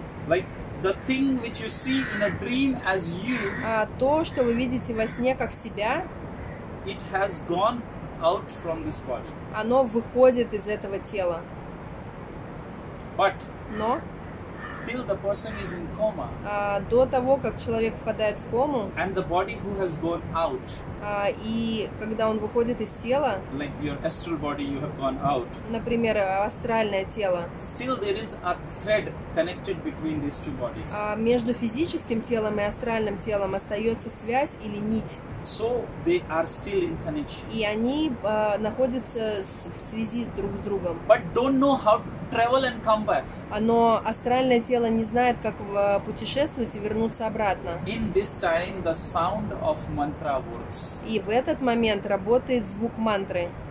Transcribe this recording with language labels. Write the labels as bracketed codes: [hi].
[en] Like the thing which you see in a dream as you. [ru] А то, что вы видите во сне как себя. [en] It has gone out from this body. [ru] Оно выходит из этого тела. [en] But. [ru] Но. [en] Till the person is in coma. [ru] А до того, как человек впадает в кому. [en] And the body who has gone out. [ru] И когда он выходит из тела, [en] like your astral body, you have gone out, [ru] например, астральное тело, [en] still there is a thread connected between these two bodies. [ru] Между физическим телом и астральным телом остается связь или нить. [en] So they are still in connection. [ru] И они находятся в связи друг с другом. [en] But don't know how to travel and come back. [ru] Но астральное тело не знает, как путешествовать и вернуться обратно. [en] In this time, the sound of mantra works. [ru] И в этот момент работает звук мантры.